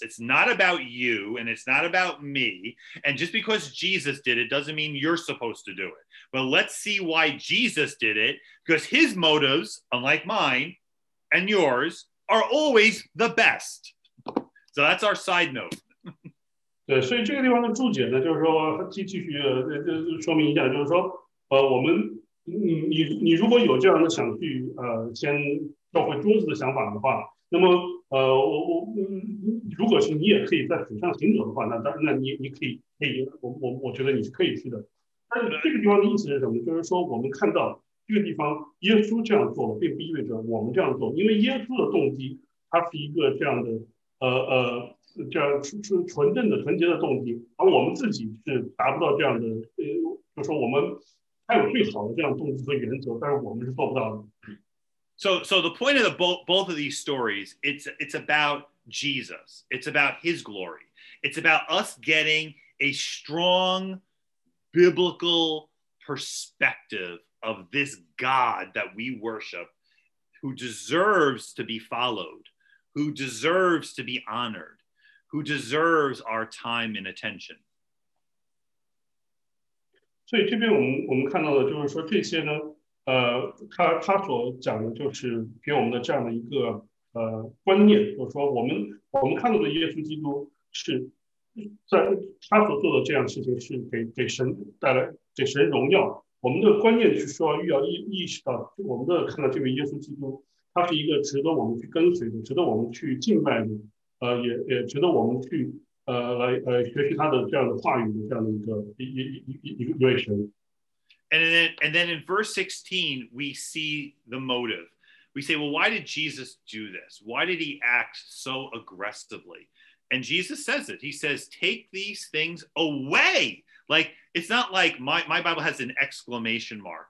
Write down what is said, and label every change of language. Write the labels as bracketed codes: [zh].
[en] It's not about you and it's not about me. And just because Jesus did it doesn't mean you're supposed to do it. But let's see why Jesus did it, because his motives, unlike mine and yours, are always the best. So that's our side note. [zh] 对，所以这个地方的注解呢，就是说继续说明一下，就是说，我们你如果有这样的想去先召回桌子的想法的话，那么我如果是你也可以在水上行走的话，那你可以，我觉得你是可以去的。但是这个地方的意思是什么？就是说我们看到这个地方耶稣这样做，并不意味着我们这样做，因为耶稣的动机它是一个这样的这样纯正的纯洁的动机，而我们自己是达不到这样的就是说我们还有最好的这样动机和原则，但是我们是做不到的。 [en] So the point of both of these stories, it's about Jesus. It's about his glory. It's about us getting a strong biblical perspective of this God that we worship, who deserves to be followed, who deserves to be honored, who deserves our time and attention. [zh] 所以这边我们看到的就是说这些呢，他所讲的就是给我们的这样的一个观念，就是说我们看到的耶稣基督是在他所做的这样的事情是给神带来给神荣耀。我们的观念是说要意识到我们的看到这位耶稣基督，他是一个值得我们去跟随的，值得我们去敬拜的。也值得我们去学习他的这样的话语的这样的一个内容。 [en] And then in verse 16 we see the motive. We say, well, why did Jesus do this? Why did he act so aggressively? And Jesus says it. He says, take these things away. Like, it's not like my Bible has an exclamation mark.